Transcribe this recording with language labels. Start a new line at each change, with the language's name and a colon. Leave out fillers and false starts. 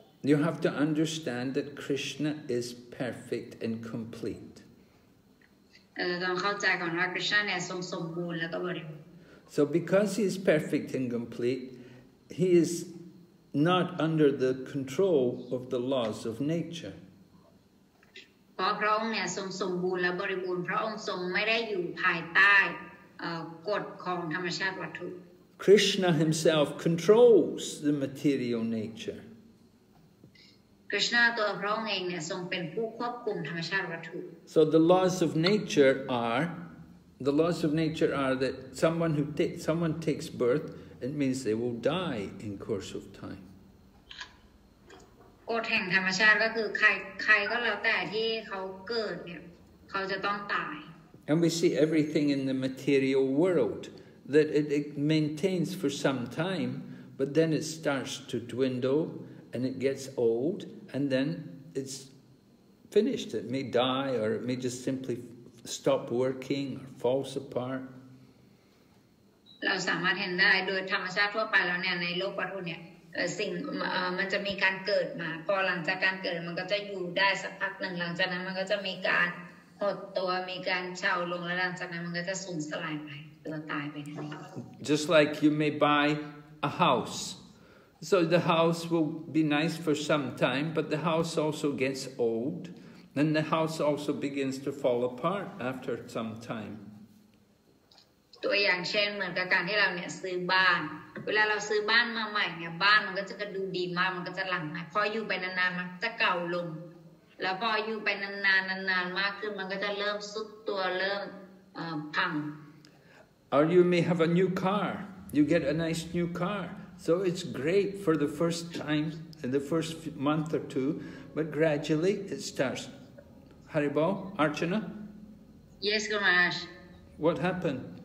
English: You have to understand that Krishna is perfect and complete.
Thai: ต้องเข้าใจก่อนว่า Krishna เนี่ยทรงสมบูรณ์แล้วก็บริบูรณ์
English: So because he is perfect and complete, he is not under the control of the laws of nature.
Thai: เพราะพระองค์เนี่ยทรงสมบูรณ์และบริบูรณ์พระองค์ทรงไม่ได้อยู่ภายใต้กฎของธรรมชาติวัตถุ
English: Krishna himself controls the material nature.
Thai: Krishna ตัวพระองค์เองเนี่ยทรงเป็นผู้ควบคุมธรรมชาติวัตถุ
English: So the laws of nature are that someone takes birth, it means they will die in course of time.
Thai: กฎแห่งธรรมชาติก็คือใครก็แล้วแต่ที่เขาเกิดเนี่ยเขาจะต้องตาย
English: And we see everything in the material world that it maintains for some time, but then it starts to dwindle and it gets old and then it's finished. It may die or it may just simply stop working or falls apart.
Thai: เราสามารถเห็นได้โดยธรรมชาติทั่วไปแล้วเนี่ยในโลกวัตถุเนี่ยสิ่งมันจะมีการเกิดมาพอหลังจากการเกิดมันก็จะอยู่ได้สักพักหนึ่งหลังจากนั้นมันก็จะมีการหดตัวมีการเช่าลงแล้วหลังจากนั้นมันก็จะสูญสลายไปตัวตายไปนั่นเอง
English: Just like you may buy a house, so the house will be nice for some time, but the house also gets old, and the house also begins to fall apart after some time.
Thai: ตัวอย่างเช่นเหมือนกับการที่เราเนี่ยซื้อบ้านเวลาเราซื้อบ้านมาใหม่เนี่ยบ้านมันก็จะดูดีมากมันก็จะหลังใหม่พออยู่ไปนานๆมันจะเก่าลงแล้วพออยู่ไปนานๆมากขึ้นมันก็จะเริ่มสุดตัวเริ่มพัง
English: Or you may have a new car. You get a nice new car. So it's great for the first time, in the first month or two. But gradually it starts. Haribol, Archana? Yes, Gumaraj. What happened?